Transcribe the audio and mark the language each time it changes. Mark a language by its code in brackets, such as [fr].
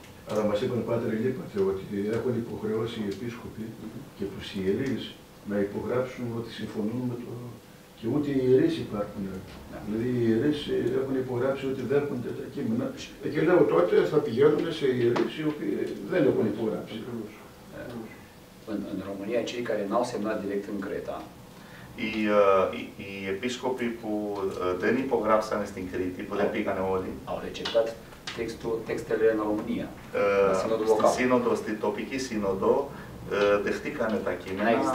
[el] Αλλά μας είπαν, Πάτερ, λείπατε, ότι έχουν υποχρεώσει οι επίσκοποι και τους ιερείς να υπογράψουν ότι συμφωνούν με το... και ούτε οι ιερείς υπάρχουν. Ναι. Δηλαδή οι ιερείς έχουν υπογράψει ότι δέχονται τα κείμενα και λέω τότε θα πηγαίνουν σε ιερείς οι οποίοι δεν έχουν υπογράψει. Εν Ρουμανία, [ro] cei care n-au semnat direct în Creta. [el] Οι επίσκοποι που δεν υπογράψανε στην Κρήτη, που δεν πήγανε όλοι, [ro] au receptat textele în Ρουμανία. [el] Στην σύνοδο, στην τοπική σύνοδο, δεχτήκανε τα κείμενα.